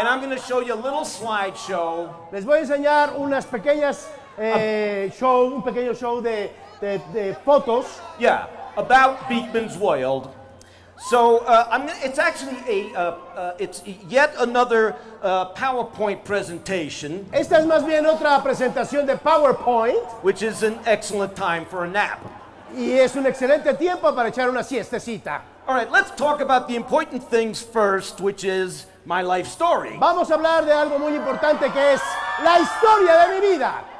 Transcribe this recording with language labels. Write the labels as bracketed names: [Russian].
[English] And I'm going to show you a little slideshow. [Spanish] Les voy a enseñar unas pequeñas show, un pequeño show de fotos. [English] Yeah, about Beakman's World. So it's actually it's yet another PowerPoint presentation. [Spanish] Esta es más bien otra presentación de PowerPoint. [English] Which is an excellent time for a nap. [Spanish] Y es un excelente tiempo para echar una siestecita. [English] All right, let's talk about the important things first, which is my life story. [Spanish] Vamos a hablar de algo muy importante que es la historia de mi vida.